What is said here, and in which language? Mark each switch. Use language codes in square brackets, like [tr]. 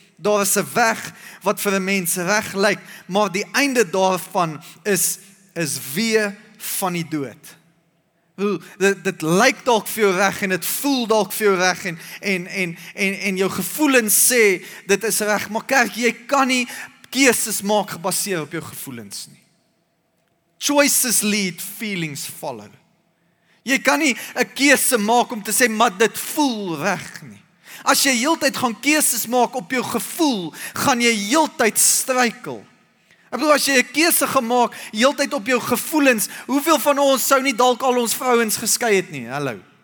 [af] daar is 'n weg wat vir 'n mens reg lyk, maar die einde daarvan is wee van die dood. Dit lyk dalk vir jou reg en dit voel dalk vir jou reg en jou gevoelens sê dit is reg, maar kerk, jy kan nie keuses maak gebaseer op jou gevoelens nie. [en] Choices lead, feelings follow. [af] Jy kan nie 'n keuse maak om te sê, maar dit voel reg nie. As jy heeltyd gaan keuses maak op jou gevoel, gaan jy heeltyd struikel. Ek bedoel, as jy 'n keuse gemaak, heeltyd op jou gevoelens, hoeveel van ons sou nie dalk al ons vrouens geskei het nie? Hallo.